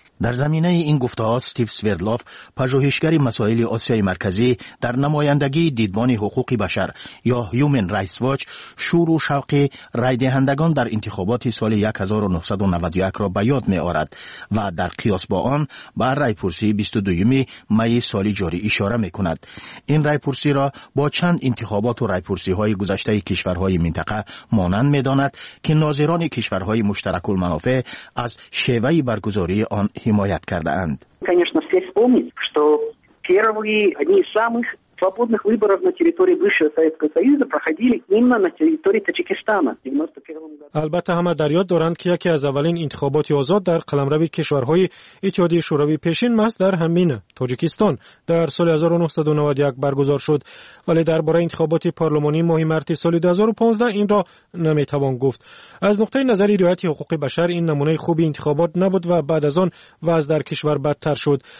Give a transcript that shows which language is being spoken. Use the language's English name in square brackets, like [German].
[Persian] در زمینه این گفته‌ها استیو سویردلوف، پژوهشگر مسائل آسیای مرکزی در نمایندگی دیدبان حقوق بشر یا هیومن رایتس واچ، شور و شوق رای دهندگان در انتخابات سال 1991 را به یاد می‌آورد و در قیاس با آن به رایپرسی 22 می سال جاری اشاره می‌کند. این رایپرسی را با چند انتخابات و رایپرسی‌های گذشته کشورهای منطقه مانند می‌داند که ناظران کشورهای مشترک المنافع از شیوه برگزاری آن حمایت کرده اند. [Russian] Конечно, все вспомнить, что первые одни из самых свободных выборов на территории бывшего Советского Союза проходили именно на территории Таджикистана в 91 году. [Tajik] Албатта ҳама дар ёд доранд ки яке аз аввалин интихоботи озод дар қаламрави кишварҳои Иттиҳодияи Шӯравӣ пешин маҳз дар ҳамин Таҷикистон дар соли 1991 баргузор шуд, вале дар бораи интихоботи парлумонии моҳи марти соли 2015 инро наметавон гуфт. Аз нуқтаи назари риояти ҳуқуқи башар ин намунаи хуби интихобот набуд ва баъд аз он вазъ дар кишвар бадтар шуд.